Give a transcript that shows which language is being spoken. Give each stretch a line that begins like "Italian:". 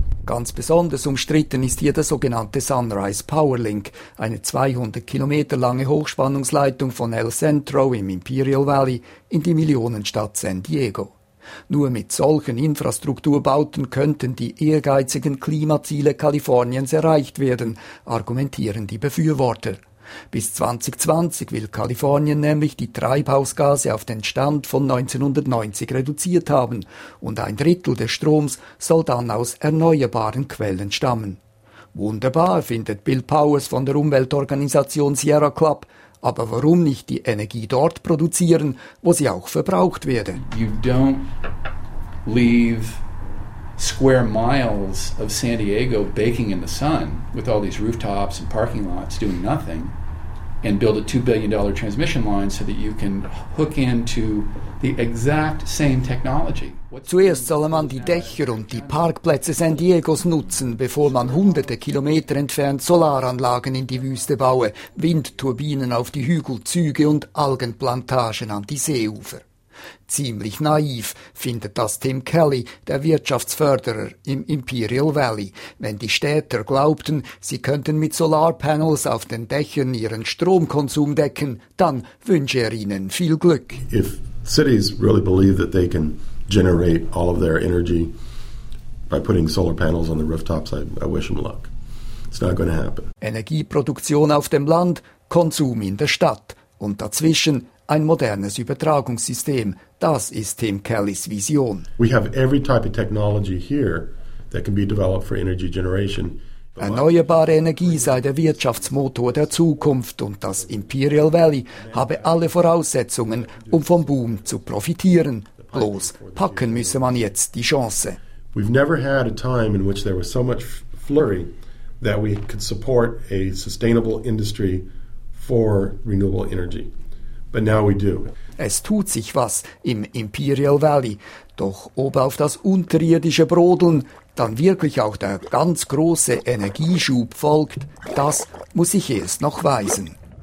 German: Ganz besonders umstritten ist hier der sogenannte Sunrise Powerlink, eine 200 Kilometer lange Hochspannungsleitung von El Centro im Imperial Valley in die Millionenstadt San Diego. Nur mit solchen Infrastrukturbauten könnten die ehrgeizigen Klimaziele Kaliforniens erreicht werden, argumentieren die Befürworter. Bis 2020 will Kalifornien nämlich die Treibhausgase auf den Stand von 1990 reduziert haben und ein Drittel des Stroms soll dann aus erneuerbaren Quellen stammen. Wunderbar, findet Bill Powers von der Umweltorganisation Sierra Club. Aber warum nicht die Energie dort produzieren, wo sie auch verbraucht werde?
English: You don't leave square miles of San Diego baking in the sun with all these rooftops and parking lots doing nothing and build a $2 billion transmission line so that you can hook into the exact same technology.
German: Zuerst solle man die Dächer und die Parkplätze San Diegos nutzen, bevor man hunderte Kilometer entfernt Solaranlagen in die Wüste baue, Windturbinen auf die Hügelzüge und Algenplantagen an die Seeufer. Ziemlich naiv findet das Tim Kelly, der Wirtschaftsförderer im Imperial Valley. Wenn die Städter glaubten, sie könnten mit Solarpanels auf den Dächern ihren Stromkonsum decken, dann wünsche er ihnen viel Glück.
English: If cities really believe that they can generate all of their energy by putting solar panels on the rooftops, I wish them luck. It's not going to happen.
German: Energieproduktion auf dem Land, Konsum in der Stadt und dazwischen ein modernes Übertragungssystem. Das ist Tim Kellys Vision.
English: We have every type of technology here that can be developed for energy generation.
German: Erneuerbare Energie sei der Wirtschaftsmotor der Zukunft und das Imperial Valley habe alle Voraussetzungen, um vom Boom zu profitieren. Bloß packen müsse man jetzt die Chance.
English: We've never had a time in which there was so much flurry that we could support a sustainable industry for renewable energy. But now we do.
German: Es tut sich was im Imperial Valley. Doch ob auf das unterirdische Brodeln dann wirklich auch der ganz große Energieschub folgt, das muss ich erst noch weisen.